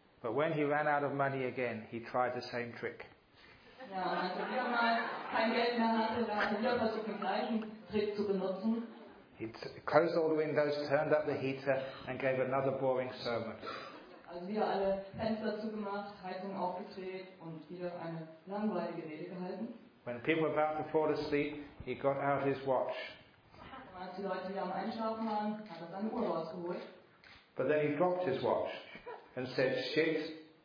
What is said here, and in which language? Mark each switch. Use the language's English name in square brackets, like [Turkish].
[English] But when he ran out of money again, he tried the same trick. [German] Ja, als er wieder mal kein Geld mehr hatte, dann hat er wieder versucht, den gleichen Trick zu benutzen. [English] He closed all the windows, turned up the heater and gave another boring sermon. [German] Also wieder alle Fenster zugemacht, Heizung aufgedreht und wieder eine langweilige Rede gehalten. [English] When people were about to fall asleep, he got out his watch. [German] Als die Leute wieder am Einschlafen waren, hat er seine Uhr rausgeholt. [English] But then he dropped his watch and said, shit.